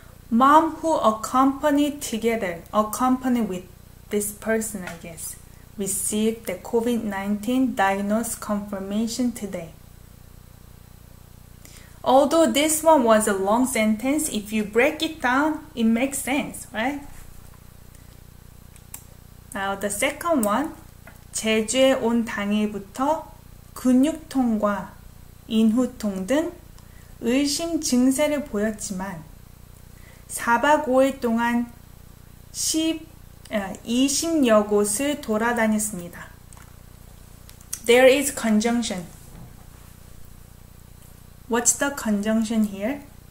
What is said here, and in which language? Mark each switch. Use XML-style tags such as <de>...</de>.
<en>Mom who accompanied together, accompanied with this person, I guess, received the COVID-19 diagnosis confirmation today. Although this one was a long sentence, if you break it down, it makes sense, right? Now the second one,</en> <ko>제주에 온 당일부터 근육통과 인후통 등 의심 증세를 보였지만 4박 5일 동안 20여 곳을 돌아다녔습니다.</ko> <en>There is conjunction. What's the conjunction here?</en>